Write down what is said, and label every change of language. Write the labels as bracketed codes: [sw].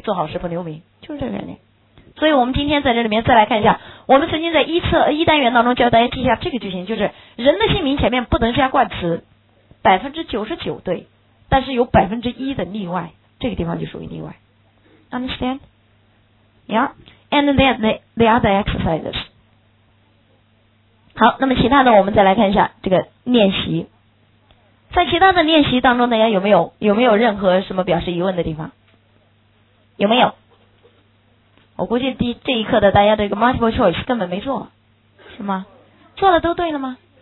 [zh] 做好事不留名，就是这个概念。所以我们今天在这里面再来看一下，我们曾经在一单元当中教大家记下这个句型，就是人的姓名前面不能加冠词，99%对，但是有1%的例外，这个地方就属于例外。 [en] Understand? Yeah. And then the other exercises. [zh] 好，那么其他的我们再来看一下这个练习。在其他的练习当中，大家有没有任何什么表示疑问的地方？有没有？我估计这一课的大家的一个 multiple choice 根本没做，是吗？做了都对了吗？